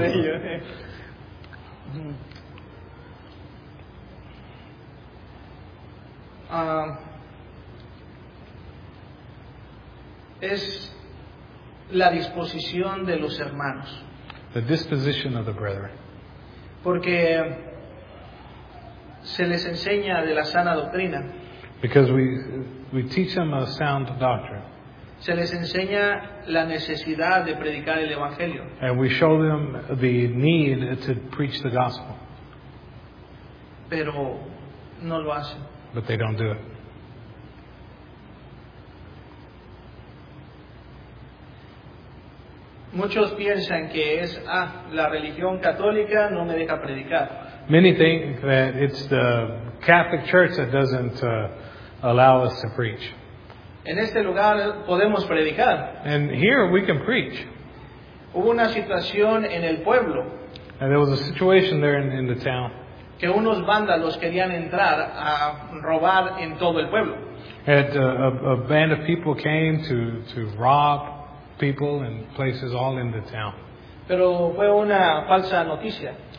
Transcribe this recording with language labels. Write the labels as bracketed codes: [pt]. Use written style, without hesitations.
[es] De ello, es la disposición de los hermanos. [en] the disposition of the brethren. [es] Porque se les enseña de la sana doctrina. [en] Because we teach them a sound doctrine. [es] Se les enseña la necesidad de predicar el evangelio. [en] And we show them the need to preach the gospel. [es] Pero no lo hacen. [en] But they don't do it. [es] Muchos piensan que es la religión católica no me deja predicar. [en] Many think that it's the Catholic Church that doesn't allow us to preach. [es] En este lugar podemos predicar. [en] And here we can preach. [es] Hubo una situación en el pueblo. [en] And there was a situation there in the town. [es] Que unos vándalos querían entrar a robar en todo el pueblo. [en] And a band of people came to rob people and places all in the town. [es] Pero fue una falsa noticia.